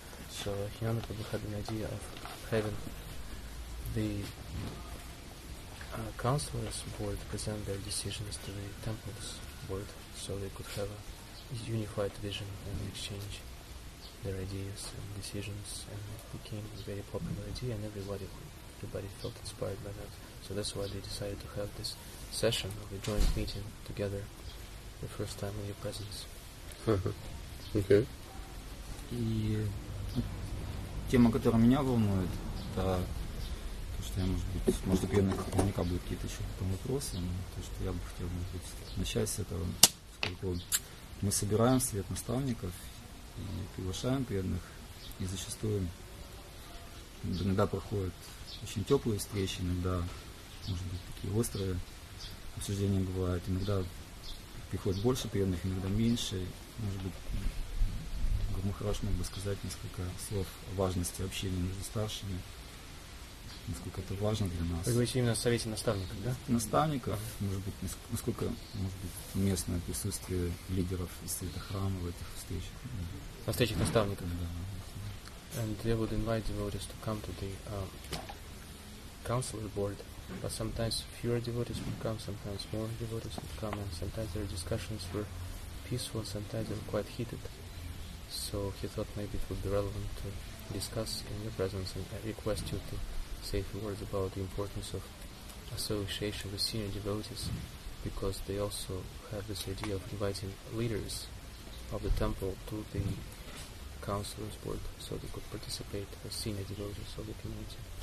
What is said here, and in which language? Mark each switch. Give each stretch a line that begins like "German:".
English: So Hinata Prabhu had an idea of having the counselors' board present their decisions to the temple's board, so they could have a unified vision and exchange their ideas and decisions, and it became a very popular idea, and everybody felt inspired by that. So that's why they decided to have this session of a joint meeting together the first time in your presence. Okay.
Russian: И тема, которая меня волнует, это то, что я, может быть, может, наверняка будут какие-то еще потом вопросы, но то, что я бы хотел, может быть, начать с этого, поскольку мы собираем свет наставников и приглашаем преданных, и зачастую иногда проходят очень теплые встречи, иногда, может быть, такие острые обсуждения бывают. Иногда приходит больше преданных, иногда меньше. Может быть, Гурмахараш мог бы сказать несколько слов о важности общения между старшими, насколько это важно для нас. Вы говорите именно о совете наставников, да? Наставников, может быть, насколько, может быть, уместное присутствие лидеров из света храма в этих встречах. Да. На встречах наставников? Да.
English: And they would invite devotees to come to the council board. But sometimes fewer devotees would come, sometimes more devotees would come, and sometimes their discussions were peaceful, sometimes they were quite heated. So he thought maybe it would be relevant to discuss in your presence and request you to say a few words about the importance of association with senior devotees, because they also have this idea of inviting leaders of the temple to the counselor's board, so they could participate as senior devotees of the community.